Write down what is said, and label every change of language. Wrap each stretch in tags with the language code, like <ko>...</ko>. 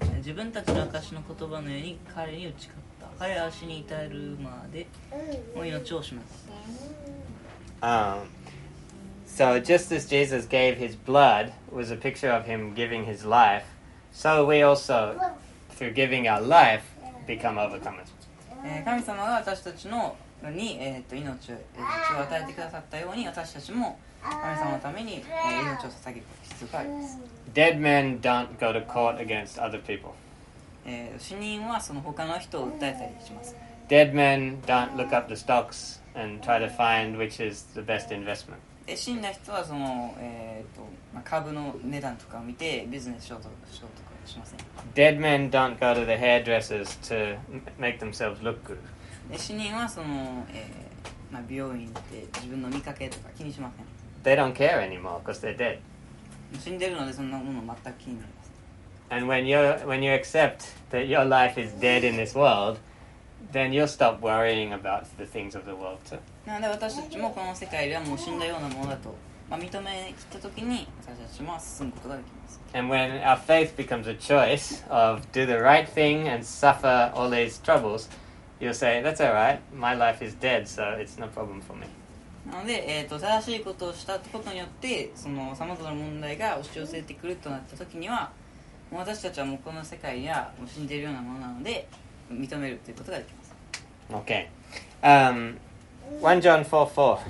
<ja>自分たちの証の言葉のように彼に打ち勝った彼は死に至るまでもう命をします、</ja> <en>So just as Jesus gave his blood was a picture of him giving his life so we also through giving our life become overcomers</en> <ja>神様が私たちのに、命を与えてくださったように私たちも神様のために、命を捧げる必要があります</ja> <en>Dead men don't go to court against other people.</en> <ja>死人はその他の人を訴えたりします。</ja> <en>Dead men don't look up the stocks and try to find which is the best investment.</en> <ja>で死んだ人はその、まあ、株の値段とかを見てビジネスしようとかしません。</ja> <en>Dead men don't go to the hairdressers to make themselves look good.</en> <ja>で死人はその、まあ、美容院で自分の見かけとか気にしません。</ja> <en>They don't care anymore because they're dead.</en> <ja>死んでるのでそんなもの全く気になりません。</ja> <en>And when you accept that your life is dead in this world, then you'll stop worrying about the things of the world too.</en> <ja>なので私たちもこの世界ではもう死んだようなものだと、まあ、認め切った時に私たちも進むことができます。</ja> <en>And when our faith becomes a choice of do the right thing and suffer all these troubles, you'll say, that's all right, my life is dead, so it's no problem for me.</en> <ja>なので、正しいことをしたことによってその様々な問題が押し寄せてくるとなった時には、私たちはもうこの世界ではもう死んでいるようなものなので認めるということができます。</ja> <en>Okay. 1 John 4:4.</en>